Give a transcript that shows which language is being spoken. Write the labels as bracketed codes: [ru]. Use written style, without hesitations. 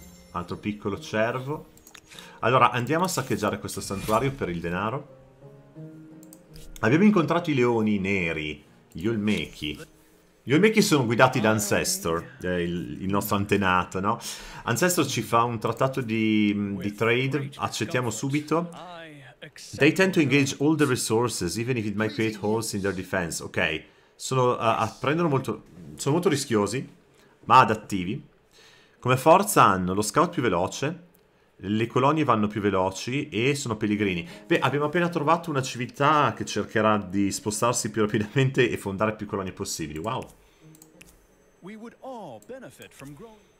[it] Altro piccolo cervo. Allora, andiamo a saccheggiare questo santuario per il denaro. Abbiamo incontrato i leoni neri. Gli Olmechi. Gli Olmechi sono guidati da Ancestor. Il nostro antenato, no? Ancestor ci fa un trattato di trade. Accettiamo subito. [en] They tend to engage all the resources, even if it might create holes in their defense. [it] Ok, sono molto rischiosi, ma adattivi. Come forza hanno lo scout più veloce, le colonie vanno più veloci e sono pellegrini. Beh, abbiamo appena trovato una civiltà che cercherà di spostarsi più rapidamente e fondare più colonie possibili. Wow. [en] We would all benefit from growing...